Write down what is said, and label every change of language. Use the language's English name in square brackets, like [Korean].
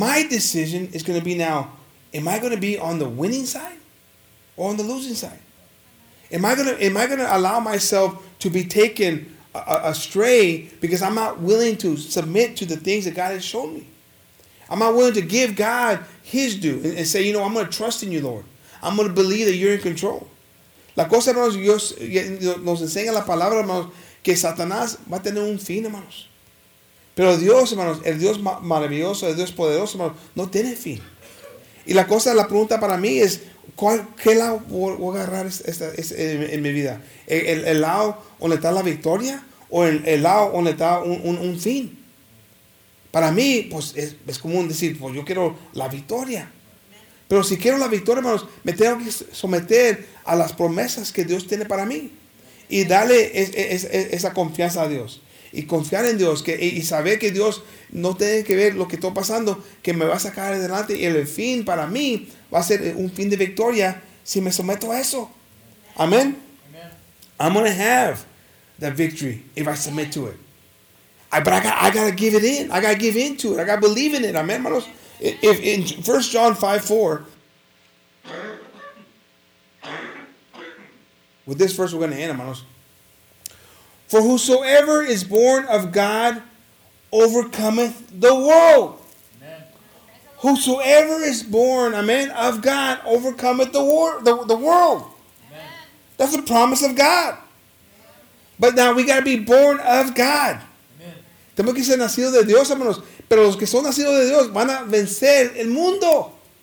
[English] My decision is going to be now, am I going to be on the winning side or on the losing side? Am I gonna allow myself to be taken astray because I'm not willing to submit to the things that God has shown me? I'm not willing to give God his due and say, you know, I'm going to trust in you, Lord. I'm going to believe that you're in control. [Spanish] La cosa, hermanos, nos enseña la palabra, hermanos, que Satanás va a tener un fin, hermanos. Pero Dios, hermanos, el Dios maravilloso, el Dios poderoso, hermanos, no tiene fin. Y la cosa, la pregunta para mí es, ¿qué lado voy a agarrar en mi vida? ¿El lado donde está la victoria? ¿O el lado donde está un fin? Para mí, pues es común decir, pues yo quiero la victoria. Pero si quiero la victoria, hermanos, me tengo que someter a las promesas que Dios tiene para mí y darle esa confianza a Dios y confiar en Dios y saber que Dios no tiene que ver lo que está pasando, que me va a sacar adelante y el fin para mí va a ser un fin de victoria si me someto a eso. Amén. [English] I'm going to have that victory if I submit to it. But I got to give it in. I got to give in to it. I got to believe in it. Amén, hermanos. If in 1 John 5:4, with this verse, we're going to end, hermanos. For whosoever is born of God overcometh the world. Amen. Whosoever is born, amen, of God overcometh the world. Amen. That's the promise of God. But now we got to be born of God. [Spanish] Tenemos que ser nacidos de Dios, hermanos. Pero los que son nacidos de Dios van a vencer el mundo.